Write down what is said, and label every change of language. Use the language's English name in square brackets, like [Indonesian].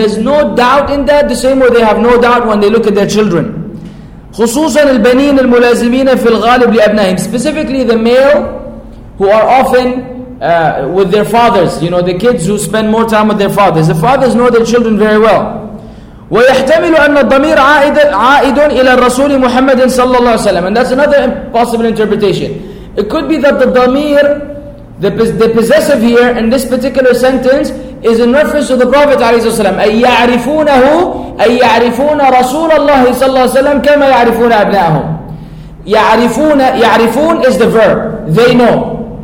[English] There's no doubt in that, the same way they have no doubt when they look at their children. [Arabic] خُصُوصًا الْبَنِينَ الْمُلَازِمِينَ فِي الْغَالِبِ لِأَبْنَائِهِمْ. [English] Specifically the male who are often with their fathers, you know, the kids who spend more time with their fathers. The fathers know their children very well. [Arabic] وَيَحْتَمِلُ أَنَّ الضَّمِيرَ عَائِدٌ إِلَى الرَّسُولِ مُحَمَّدٍ صلى الله عليه وسلم. [English] And that's another possible interpretation. It could be that the ضمير, the possessive here in this particular sentence, is in reference to the Prophet ﷺ. [Arabic] أَيَّعْرِفُونَهُ أَيَّعْرِفُونَ رَسُولَ اللَّهِ صلى الله عليه وسلم كَمَا يَعْرِفُونَ أَبْنَاءَهُمْ. [English] يَعْرِفُونَ, يَعْرِفُونَ is the verb. They know.